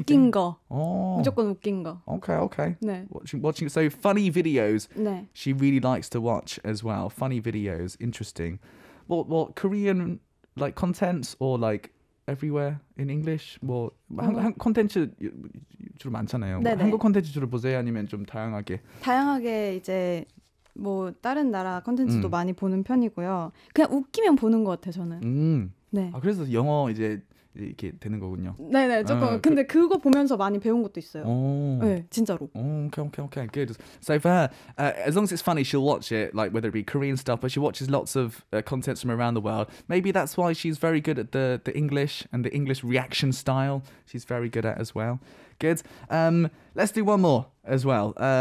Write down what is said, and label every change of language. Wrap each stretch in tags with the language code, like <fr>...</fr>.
<ko>웃긴 거. Oh. 무조건 웃긴 거.</ko> <en>Okay.</en> <ko>네.</ko> <en>Watching so funny videos.</en> <ko>네.</ko> <en>She really likes to watch as well. Funny videos. Interesting. What Korean like contents or like everywhere in English?</en> <ko>Well, 한 콘텐츠 주로 많잖아요. 네네. 한국 콘텐츠 주로 보세요 아니면 좀 다양하게? 다양하게 이제 뭐 다른 나라 콘텐츠도 많이 보는 편이고요. 그냥 웃기면 보는 것 같아 저는. 네. 아 그래서 영어 이제 이렇게 되는 거군요. 네네 조금. 근데 그거 보면서 많이 배운 것도 있어요. 오. 네 진짜로.</ko> <en>오, okay. Good. So far, as long as it's funny, she'll watch it. Like whether it be Korean stuff, but she watches lots of contents from around the world. Maybe that's why she's very good at the English and the English reaction style. She's very good at as well. Good. Let's do one more as well.</en>